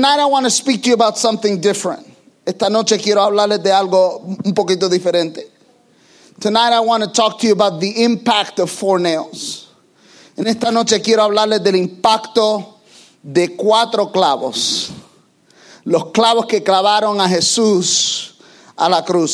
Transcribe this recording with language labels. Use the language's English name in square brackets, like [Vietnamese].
[English] Tonight I want to speak to you about something different. [Spanish] Esta noche quiero hablarles de algo un poquito diferente. [English] Tonight I want to talk to you about the impact of four nails. [Spanish] En esta noche quiero hablarles del impacto de cuatro clavos. Los clavos que clavaron a Jesús a la cruz.